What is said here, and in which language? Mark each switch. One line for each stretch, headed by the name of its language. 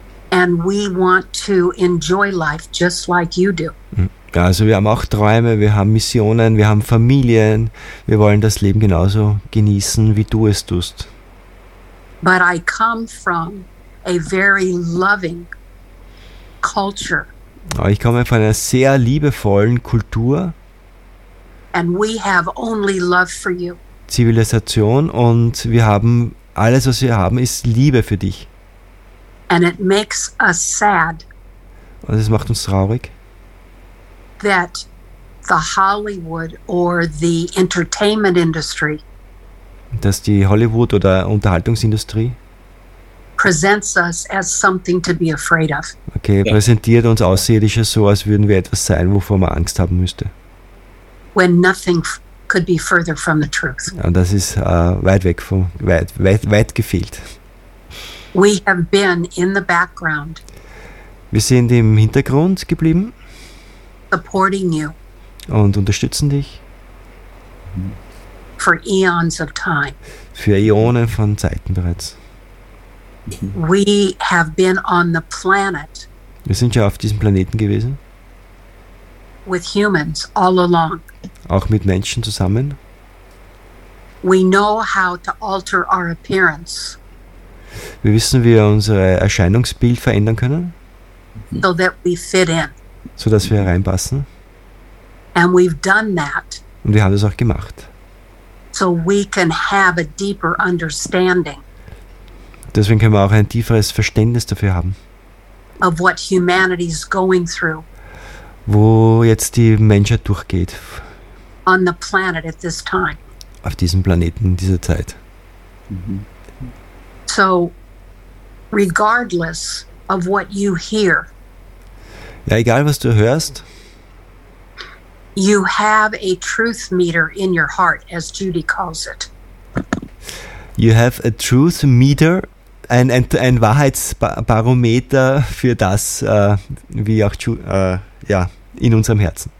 English: And we want to enjoy life just like you do.
German: Also wir haben auch Träume, wir haben Missionen, wir haben Familien. Wir wollen das Leben genauso genießen, wie du es tust.
English: But I come from a very loving culture.
German: Ich komme von einer sehr liebevollen Kultur.
English: And we have only love for you.
German: Zivilisation, und wir haben alles, was wir haben, ist Liebe für dich.
English: And it makes us sad.
German: Und es macht uns traurig.
English: That the Hollywood or the entertainment industry.
German: Dass die Hollywood oder Unterhaltungsindustrie
English: presents us as something to be afraid of.
German: Okay, präsentiert uns Außerirdische so, als würden wir etwas sein, wovor man Angst haben müsste.
English: When nothing could be further from the truth.
German: Und das ist weit gefehlt.
English: We have been in the background.
German: Wir sind im Hintergrund geblieben.
English: Supporting you.
German: Und unterstützen dich.
English: For eons of time.
German: Für Äonen von Zeiten bereits.
English: We have been on the planet.
German: Wir sind ja auf diesem Planeten gewesen.
English: With humans all along.
German: Auch mit Menschen zusammen.
English: We know how to alter our appearance.
German: Wir wissen, wie wir unser Erscheinungsbild verändern können.
English: So that we fit in.
German: sodass wir reinpassen.
English: And we've done that.
German: Und wir haben das auch gemacht.
English: So we can have a deeper understanding.
German: Deswegen können wir auch ein tieferes Verständnis dafür haben.
English: Of what humanity is going through.
German: Wo jetzt die Menschheit durchgeht.
English: On the planet at this time.
German: Auf diesem Planeten in dieser Zeit. Mm-hmm.
English: So, regardless of what you hear.
German: Ja, egal was du hörst.
English: You have a truth meter in your heart, as Judy calls it. You have a truth meter,
German: ein Wahrheitsbarometer für das, wie auch ja, in unserem Herzen.